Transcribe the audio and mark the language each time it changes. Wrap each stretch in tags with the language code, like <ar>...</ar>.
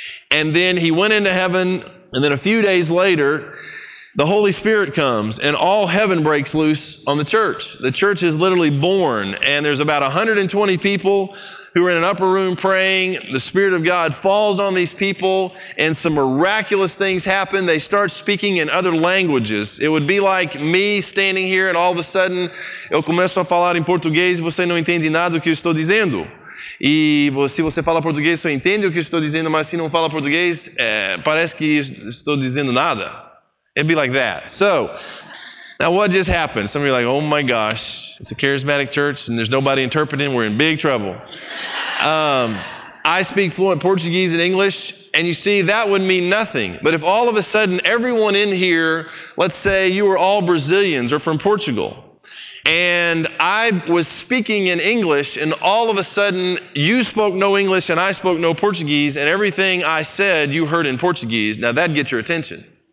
<en>And then he went into heaven, and then a few days later, the Holy Spirit comes, and all heaven breaks loose on the church. The church is literally born, and there's about 120 people who are in an upper room praying. The Spirit of God falls on these people and some miraculous things happen. They start speaking in other languages. It would be like me standing here and all of a sudden,</en> <pt>eu começo a falar em português e você não entende nada do que eu estou dizendo. E se você fala português, você entende o que eu estou dizendo, mas se não fala português, parece que estou dizendo nada.</pt> <en>It'd be like that. So, now what just happened? Some of you are like, oh my gosh, it's a charismatic church and there's nobody interpreting. We're in big trouble. I speak fluent Portuguese and English, and you see, that would mean nothing. But if all of a sudden everyone in here, let's say you were all Brazilians or from Portugal, and I was speaking in English, and all of a sudden you spoke no English and I spoke no Portuguese, and everything I said you heard in Portuguese, now that'd get your attention.</en>